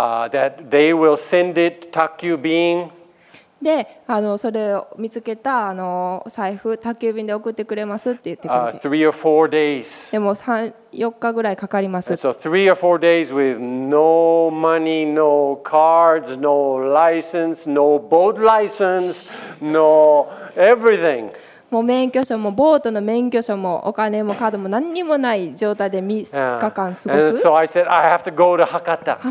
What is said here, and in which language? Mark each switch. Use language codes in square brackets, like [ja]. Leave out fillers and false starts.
[en] that they will send it to 宅急便 [ja] で、それを見つけた財布宅急便で送ってくれますって言ってくれて、 [en] 3 or 4 days. [ja] でも3、4日ぐらいかかります。 [en] And so 3 or 4 days with no money, no cards, no license, no boat license, no everything. [ja] もう免許証もボートの免許証もお金もカードも何にもない状態で3日間過ごす。 [en] And so I said I have to go to Hakata.